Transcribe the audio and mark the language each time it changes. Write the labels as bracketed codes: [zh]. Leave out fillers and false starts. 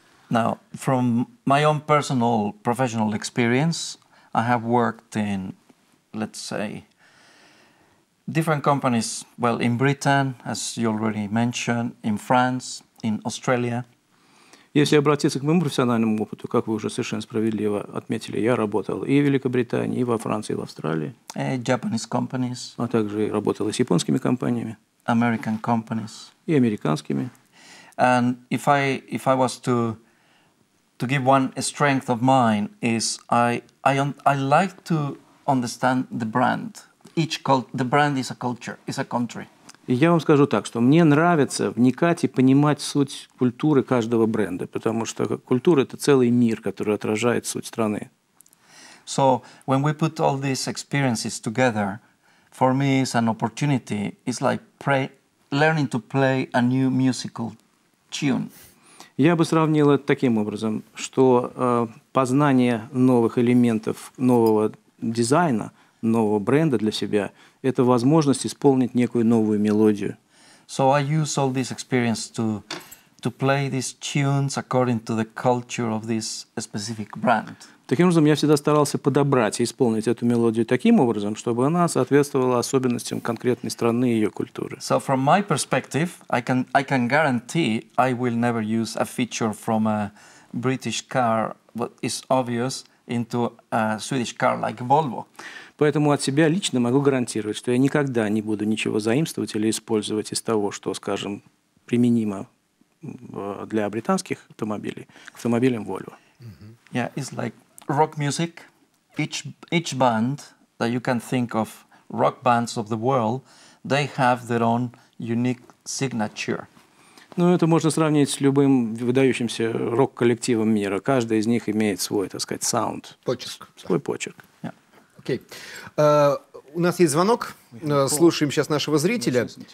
[en] Now, from my own personal professional experience, I have worked in, let's say, different companies, well, in Britain, as you already mentioned, in France, in Australia. [ru] Если обратиться к моему профессиональному опыту, как вы уже совершенно справедливо отметили, я работал и в Великобритании, и во Франции, и в Австралии. [en] Japanese companies. [ru] А также работал и с японскими компаниями. [en] American companies. [ru] И американскими. [en] And if I was to give one strength of mine is I like to understand the brand. The brand is a culture, is a country. [ru] И я вам скажу так, что мне нравится вникать и понимать суть культуры каждого бренда, потому что культура – это целый мир, который отражает суть страны. [en] So, when we put all these experiences together, for me it's an opportunity, it's like learning to play a new musical tune. [ru] Я бы сравнил это таким образом, что познание новых элементов, нового дизайна, нового бренда для себя – это возможность исполнить некую новую мелодию. [en] So I use all this experience to play these tunes according to the culture of this specific brand. [ru] Таким образом, я всегда старался подобрать и исполнить эту мелодию таким образом, чтобы она соответствовала особенностям конкретной страны и ее культуры. [en] So from my perspective, I can guarantee I will never use a feature from a British car, but it's obvious, into a Swedish car like Volvo. [ru] Поэтому от себя лично могу гарантировать, что я никогда не буду ничего заимствовать или использовать из того, что, скажем, применимо для британских автомобилей, к автомобилям Volvo. [en] Mm-hmm. Yeah, it's like rock music. Each band that you can think of, rock bands of the world, they have their own unique signature. [ru] Ну, это можно сравнить с любым выдающимся рок-коллективом мира. Каждый из них имеет свой, так сказать, саунд. Почерк. Свой почерк. Окей. У нас есть звонок. Слушаем сейчас нашего зрителя.